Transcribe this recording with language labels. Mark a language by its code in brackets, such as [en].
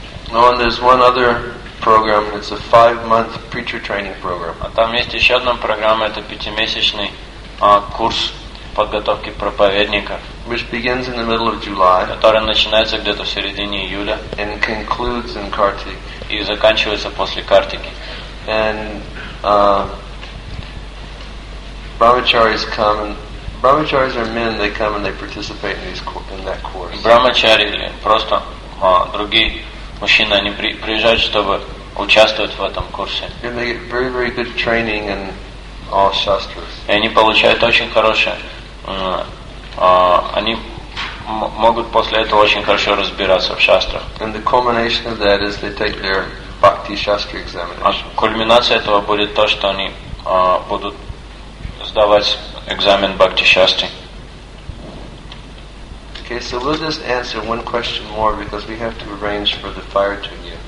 [en] No, and there's one other program. It's a 5-month preacher training program. [ru] А там есть еще одна программа. Это пятимесячный курс подготовки проповедника. [en] Which begins in the middle of July. [ru] Который начинается где-то в середине июля. [en] And concludes in Kartik. [ru] И заканчивается после Картики. [en] And brahmacharis come. Brahmacharis are men. They come and they participate in that course. [ru] Брахмачари просто другие. Мужчины, они приезжают, чтобы участвовать в этом курсе. [en] And they get very, very good training in all shastras. [ru] И они получают очень хорошее. Они могут после этого очень хорошо разбираться в шастрах. [en] And the culmination of that is they take their bhakti shastra examinations. [ru] А кульминация этого будет то, что они будут сдавать экзамен бхакти шастры. [en] Okay, so we'll just answer one question more because we have to arrange for the fire to you.